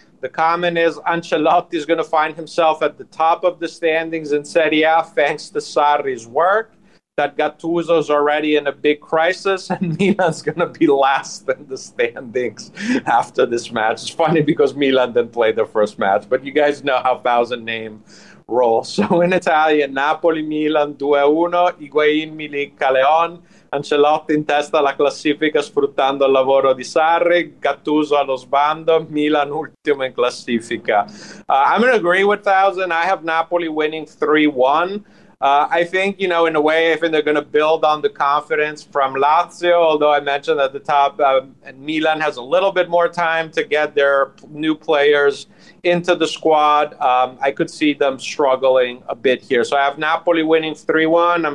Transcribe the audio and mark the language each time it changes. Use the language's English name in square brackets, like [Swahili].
[English] The comment is Ancelotti is going to find himself at the top of the standings in Serie A thanks to Sarri's work. That Gattuso is already in a big crisis, and Milan's going to be last in the standings after this match. It's funny because Milan didn't play their first match, but you guys know how 1,000 name rolls. So in Italian, Napoli-Milan 2-1, Higuain, Milik, Callejon. [Italian] Ancelotti in testa alla classifica sfruttando il lavoro di Sarri, Gattuso allo sbando, Milan ultimo in classifica. [English] I'm going to agree with 1,000. I have Napoli winning 3-1. I think, you know, in a way, I think they're going to build on the confidence from Lazio, although I mentioned at the top, Milan has a little bit more time to get their new players into the squad. I could see them struggling a bit here. So I have Napoli winning 3-1.